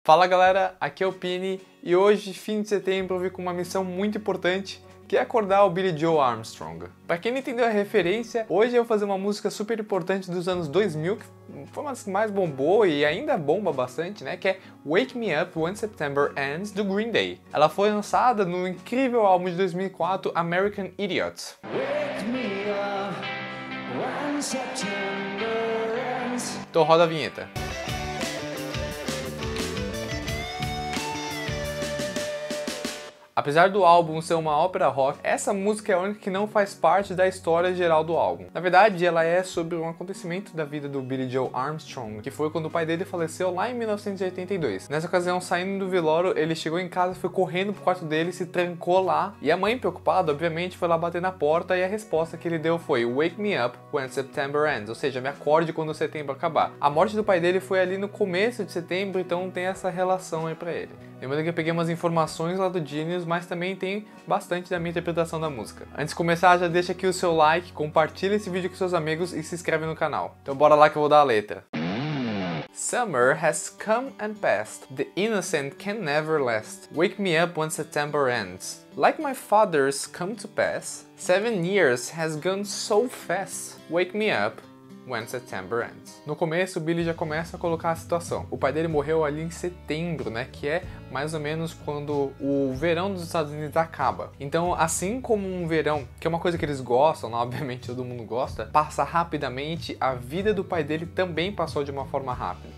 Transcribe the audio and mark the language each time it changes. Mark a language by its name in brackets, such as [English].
[Portuguese] Fala galera, aqui é o Pini e hoje, fim de setembro, eu vim com uma missão muito importante, que é acordar o Billy Joe Armstrong. Pra quem não entendeu a referência, hoje eu vou fazer uma música super importante dos anos 2000, que foi uma das que mais bombou e ainda bomba bastante, né? Que é Wake Me Up When September Ends, do Green Day. Ela foi lançada no incrível álbum de 2004, American Idiot. [English] Wake me up when September ends. [Portuguese] Então roda a vinheta. Apesar do álbum ser uma ópera rock, essa música é a única que não faz parte da história geral do álbum. Na verdade, ela é sobre um acontecimento da vida do Billy Joe Armstrong, que foi quando o pai dele faleceu lá em 1982. Nessa ocasião, saindo do velório, ele chegou em casa, foi correndo pro quarto dele, se trancou lá, e a mãe, preocupada, obviamente, foi lá bater na porta, e a resposta que ele deu foi [English] "Wake me up when September ends", [Portuguese] ou seja, me acorde quando setembro acabar. A morte do pai dele foi ali no começo de setembro, então tem essa relação aí pra ele. Lembrando que eu peguei umas informações lá do Genius, mas também tem bastante da minha interpretação da música. Antes de começar, já deixa aqui o seu like, compartilha esse vídeo com seus amigos e se inscreve no canal. Então bora lá que eu vou dar a letra. [English] Summer has come and passed. The innocent can never last. Wake me up when September ends. Like my father's come to pass. 7 years has gone so fast. Wake me up when September ends. [Portuguese] No começo, o Billy já começa a colocar a situação. O pai dele morreu ali em setembro, né? Que é mais ou menos quando o verão dos Estados Unidos acaba. Então, assim como um verão, que é uma coisa que eles gostam, obviamente todo mundo gosta, passa rapidamente, a vida do pai dele também passou de uma forma rápida.